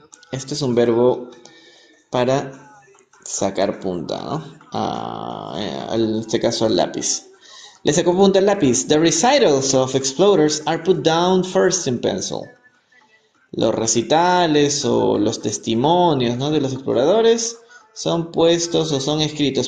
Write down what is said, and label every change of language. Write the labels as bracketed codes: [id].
[es] Este es un verbo para sacar punta, ¿no? En este caso el lápiz. Le sacó punta al lápiz. [en] The recitals of explorers are put down first in pencil. [es] Los recitales o los testimonios, ¿no? De los exploradores son puestos o son escritos.